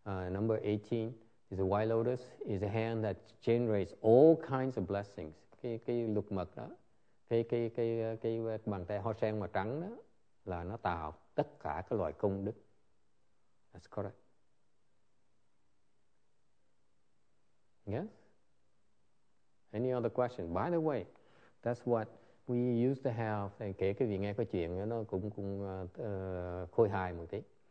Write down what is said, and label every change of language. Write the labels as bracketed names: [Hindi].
[English] Number 18 is the White Lotus, is a hand that generates all kinds of blessings. [Vietnamese] Cái lục mật đó, cái bàn tay hoa sen mà trắng đó là nó tạo tất cả các loại công đức. [English] That's correct. Yes? Any other question? By the way, that's what we used to have. [Vietnamese] Kể cái vị nghe có chuyện nó cũng khôi hài một tí.